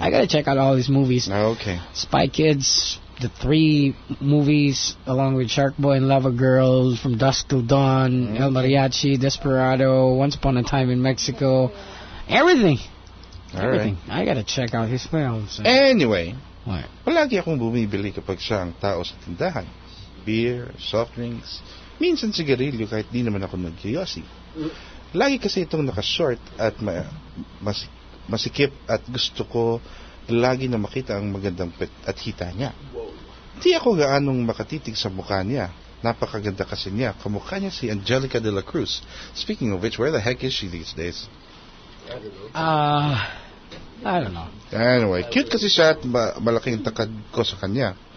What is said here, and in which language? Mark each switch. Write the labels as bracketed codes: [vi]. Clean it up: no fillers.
[en] I got to check out all these movies. Okay. Spy Kids, the three movies, along with Sharkboy and Lavagirl, From Dusk Till Dawn, okay. El Mariachi, Desperado, Once Upon a Time in Mexico, everything. All right. I got to check out his films. Anyway. What? [tl] Palagi akong bumibili kapag siya ang tao sa tindahan. Beer, soft drinks, minsan sigarilyo kahit di naman ako nag-kiyosi. Lagi kasi itong naka-short at masikip at gusto ko lagi na makita ang magandang pet at hita niya. Di ako gaanong makatitig sa mukha niya. Napakaganda kasi niya. Kamukha niya si Angelica de la Cruz. [en] Speaking of which, where the heck is she these days? I don't know. [tl] Anyway, cute kasi siya at malaking takad ko sa kanya.